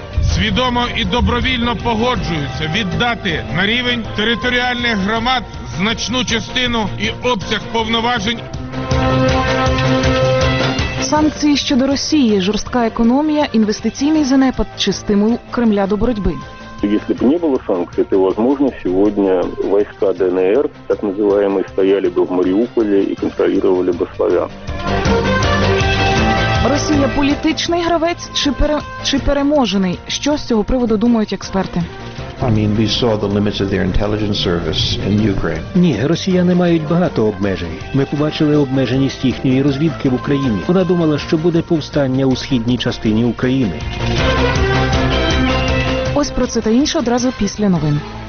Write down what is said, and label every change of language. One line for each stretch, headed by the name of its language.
Ukrainian: Свідомо і добровільно погоджуються віддати на рівень територіальних громад значну частину і обсяг повноважень. Санкції щодо Росії, жорстка економія, інвестиційний занепад чи стимул Кремля до боротьби.
Russian: Если бы не было санкций, то, возможно, сегодня войска ДНР, так называемые, стояли бы в Мариуполе и контролировали бы славян.
Ukrainian: Росія – політичний гравець чи переможений? Що з цього приводу думають експерти?
English: We saw the limits of their intelligence service in Ukraine.
Ukrainian: Ні, росіяни мають багато обмежень. Ми побачили обмеженість їхньої розвідки в Україні. Вона думала, що буде повстання у східній частині України. Ось про це та інше одразу після новин.